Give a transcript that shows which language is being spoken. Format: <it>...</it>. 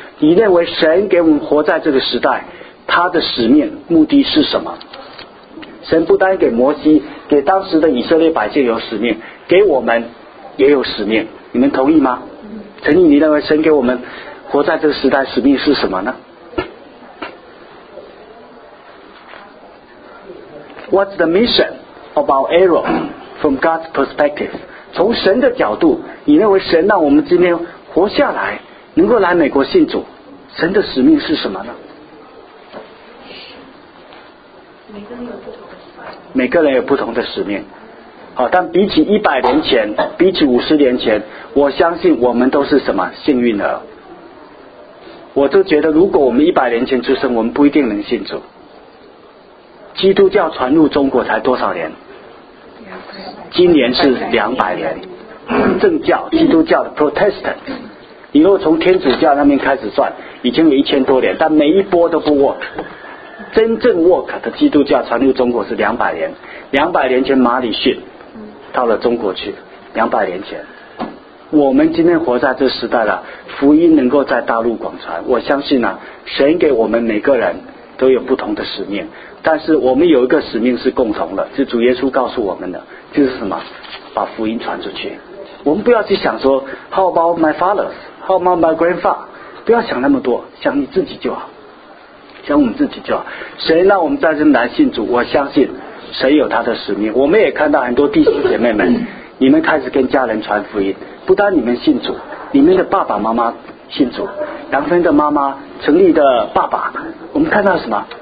<zh>你认为神给我们活在这个时代，他的使命目的是什么？神不单给摩西，给当时的以色列百姓有使命，给我们也有使命，你们同意吗？陈毅，你认为神给我们活在这个时代使命是什么呢？</zh> <en>What's the mission of our era from God's perspective?</en> <zh>从神的角度，你认为神让我们今天活下来能够来美国信主，神的使命是什么呢？每个人有不同的使命，好，但比起100年前，比起50年前，我相信我们都是什么幸运儿。我就觉得，如果我们100年前出生，我们不一定能信主。基督教传入中国才多少年？今年是200年。正教，基督教的 Protestant， 你若从天主教那边开始算，已经有1000多年，但每一波都不 work。真正 work 的基督教传入中国是200年，200年前马里逊到了中国去，200年前。我们今天活在这时代了，福音能够在大陆广传，我相信呢，神给我们每个人都有不同的使命，但是我们有一个使命是共同的，是主耶稣告诉我们的，就是什么？把福音传出去。我们不要去想说</zh> <en>How about my fathers? How about my grandfather?</en> <zh>不要想那么多，想你自己就好，想我们自己就好。谁让我们在这来信主，我相信谁有他的使命。我们也看到很多弟兄姐妹们，你们开始跟家人传福音，不单你们信主，你们的爸爸妈妈信主，杨芬的妈妈、陈丽的爸爸，我们看到什么？</zh>